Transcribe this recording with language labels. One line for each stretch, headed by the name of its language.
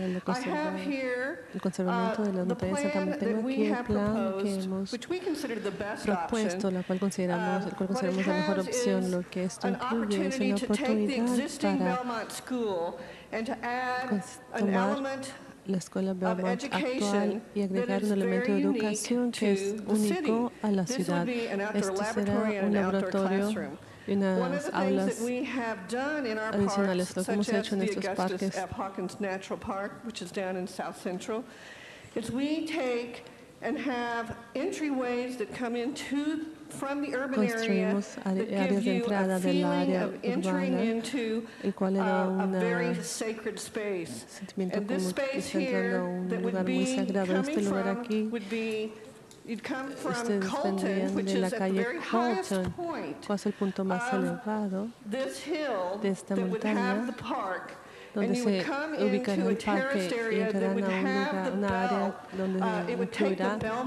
English: I have here the plan that we have proposed, which we consider the best option, what it has is an opportunity to take the existing Belmont School and to add an element
Spanish: la escuela Belmont actual y agregar un elemento de educación que es único a la ciudad. Esto será un laboratorio y unas aulas adicionales, lo que hemos hecho en estos parques.
English: F. Hawkins Natural Park, which is down in South Central, is we take and have entryways that come into from the urban area that give you a feeling of entering into a very sacred space. And this space here that would be coming from would be you'd come from Colton, which is at the very highest point of this hill that would have the park.
Spanish: Donde se ubica en un parque y entrarán a un lugar, una área donde incluirá